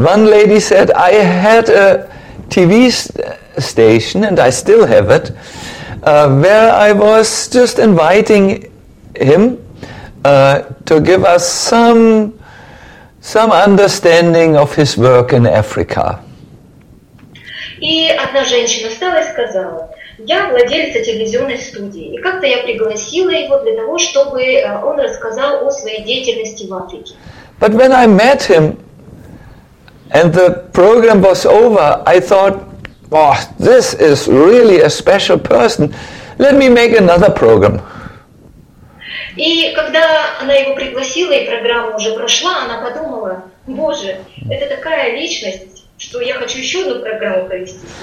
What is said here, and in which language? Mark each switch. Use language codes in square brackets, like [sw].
[en] One lady said, "I had a TV station, and I still have it, where I was just inviting him to give us some understanding of his work in Africa." [ru] И одна женщина встала и сказала: "Я владелица телевизионной студии, и как-то я пригласила его для того, чтобы он рассказал о своей деятельности в Африке." [en] But when I met him and the program was over, I thought, "Oh, this is really a special person. Let me make another program." [ru] И когда она его пригласила, и программа уже прошла, она подумала: "Боже, это такая личность, что я хочу еще одну программу провести."